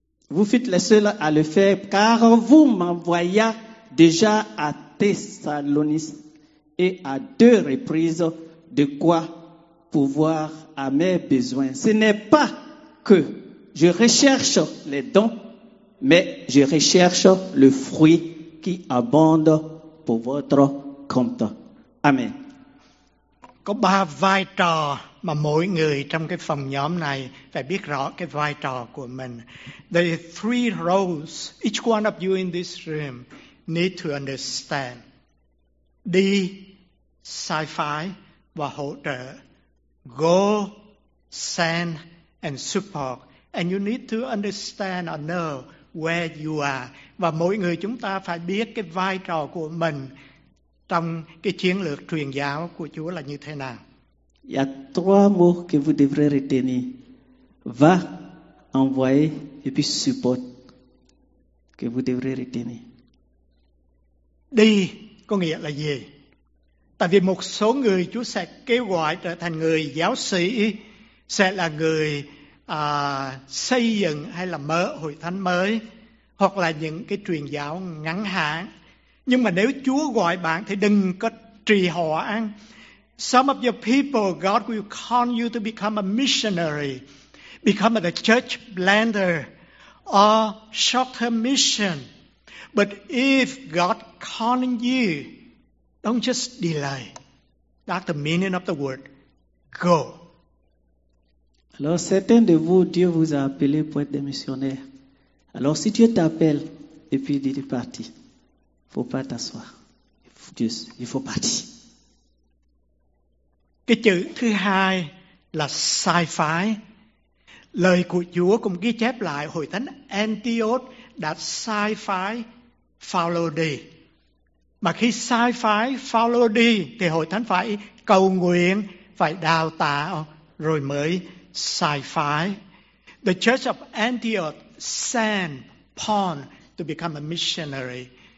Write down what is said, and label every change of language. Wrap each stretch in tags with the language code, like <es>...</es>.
<fr>Vous fûtes les seuls à le faire, car vous m'envoya déjà à Thessalonique et à deux reprises de quoi pouvoir à mes besoins. Ce n'est pas que je recherche les dons, mais je recherche le fruit qui abonde pour votre compte. Amen.</fr> <vi>Có ba vai trò mà mỗi người trong cái phòng nhóm này phải biết rõ cái vai trò của mình.</vi> <en>There are three roles each one of you in this room need to understand.</en> <vi>Đi, sai phái và hỗ trợ.</vi> <en>Go, send and support. And you need to understand or know where you are.</en> <vi>Và mỗi người chúng ta phải biết cái vai trò của mình trong cái chiến lược truyền giáo của Chúa là như thế nào.</vi> <fr>Il y a trois mots que vous devrez retenir. Va, envoyer et puis support que vous devrez retenir.</fr> <vi>Đi có nghĩa là gì? Tại vì một số người Chúa sẽ kêu gọi trở thành người giáo sĩ, sẽ là người xây dựng hay là mở hội thánh mới, hoặc là những cái truyền giáo ngắn hạn. Nhưng mà nếu Chúa gọi bạn thì đừng có trì hoãn.</vi> <en>Some of your people, God will call you to become a missionary, become a church planter, or short-term mission. But if God calling you, don't just delay. That's the meaning of the word. Go.</en> <fr>Alors, certains de vous, Dieu vous a appelé pour être des missionnaires. Alors, si Dieu t'appelle et puis il est parti, il ne faut pas t'asseoir. Il faut partir.</fr> <vi>Cái chữ thứ hai là sai phái. Lời của Chúa cũng ghi chép lại hội thánh Antioch đã sai phái Phao-lô đi. Mà khi sai phái follow đi thì hội thánh phải cầu nguyện, phải đào tạo rồi mới sai phái.</vi> <en>The Church of Antioch sent Paul to become a missionary.</en>